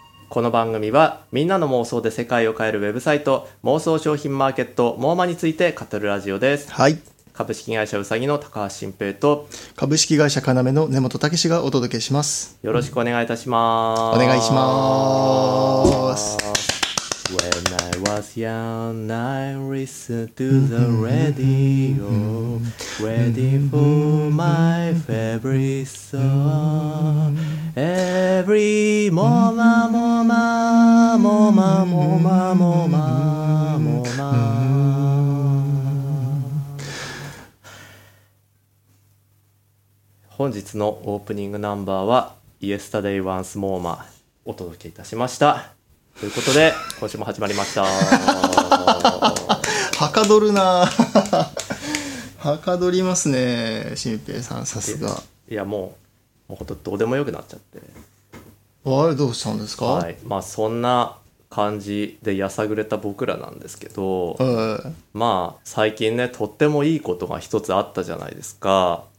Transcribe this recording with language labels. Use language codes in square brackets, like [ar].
[ja] この番組はみんなの妄想で世界を変えるウェブサイト妄想商品マーケットモーマについて語るラジオです。はい、株式会社うさぎの高橋新平と株式会社かなめの根本武史がお届けします。よろしくお願いいたします。お願いします。 [en] When I was young, I listened to the radio, waiting for my favorite song. Every moma, moma, moma, moma, moma, moma. Today's opening number is Yesterday Once MoMA. I brought it to you. [ja] ということで今週も始まりました。はかどるな。はかどりますね、新平さん。さすが。いやもうほんとどうでもよくなっちゃって。あれどうしたんですか。はい、まあそんな感じでやさぐれた僕らなんですけど、まあ最近ねとってもいいことが一つあったじゃないですか。